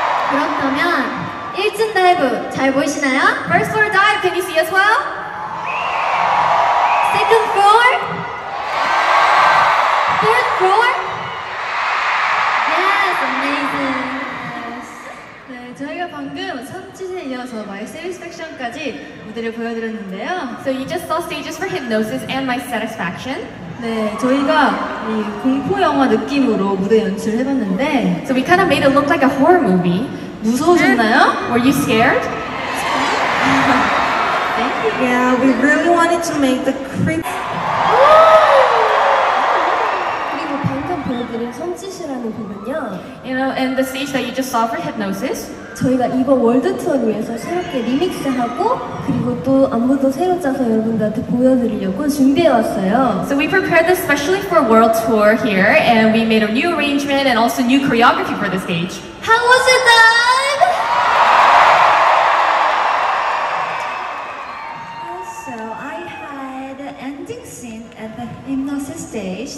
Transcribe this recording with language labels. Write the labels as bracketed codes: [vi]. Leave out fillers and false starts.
[ko] 그렇다면 1층 다이브 잘 보이시나요? [en] First floor dive, can you see us well? Second floor? Fourth floor? Yes, amazing. Yes. [ko] 네, 저희가 방금 선취에 이어서 My Satisfaction까지 무대를 보여드렸는데요. [en] So you just saw stages for Hypnosis and My Satisfaction. [ko] 네, 저희가 이 공포 영화 느낌으로 무대 연출을 해봤는데. [en] So we kind of made it look like a horror movie. [ko] 무서우셨나요? [en] Were you scared? Thank you. Yeah, we really wanted to make the creep. [ko] 그리고 방금 보여드린 섬짓이라는 부분요. [en] You know, and the stage that you just saw for Hypnosis. [ko] 저희가 이번 월드 투어를 위해서 새롭게 리믹스하고 그리고 또 안무도 새로 짜서 여러분들한테 보여드리려고 준비해 왔어요. [en] So we prepared this specially for world tour here, and we made a new arrangement and also new choreography for the stage. How was it done? Also, I had an ending scene at the Hypnosis stage.